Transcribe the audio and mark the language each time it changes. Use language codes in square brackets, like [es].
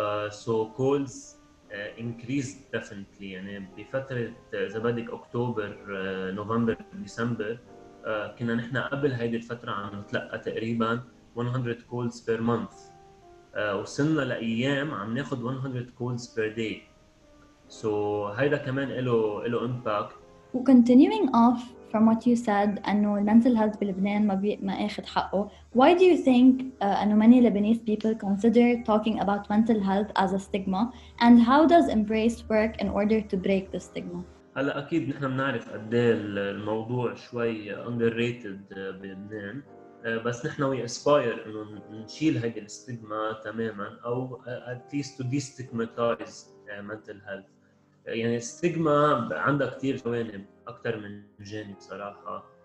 [en] So calls increased definitely. [ar] يعني بفترة إذا بدك أكتوبر نوفمبر ديسمبر, كنا نحن قبل هيدي الفترة عم نتلقى تقريبا 100 [en] calls per month. [ar] وصلنا لأيام عم ناخد 100 [en] calls per day. [ar] So هيدا كمان إلو impact. [en] Continuing off from what you said, أنه mental health بلبنان [ar] ما أخد حقه, [en] why do you think أنه many Lebanese people consider talking about mental health as a stigma, and how does Embrace work in order to break the stigma? [ar] هلا أكيد نحن بنعرف قد الموضوع شوي underrated بلبنان, بس نحن [en] we aspire [ar] إنه نشيل هيدي الستيغما تماماً, أو [en] at least to destigmatize mental health. [ar] يعني الستيغما عندها كتير جوانب, أكتر من جانب صراحة.